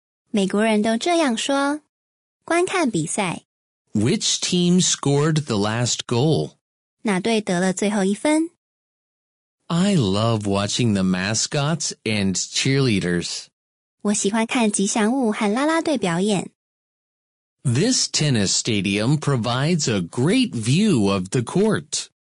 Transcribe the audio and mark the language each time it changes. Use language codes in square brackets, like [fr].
[zh] 美国人都这样说, 观看比赛. [en] Which team scored the last goal? [zh] 哪队得了最后一分? [en] I love watching the mascots and cheerleaders. [zh] 我喜欢看吉祥物和啦啦队表演. [en] This tennis stadium provides a great view of the court.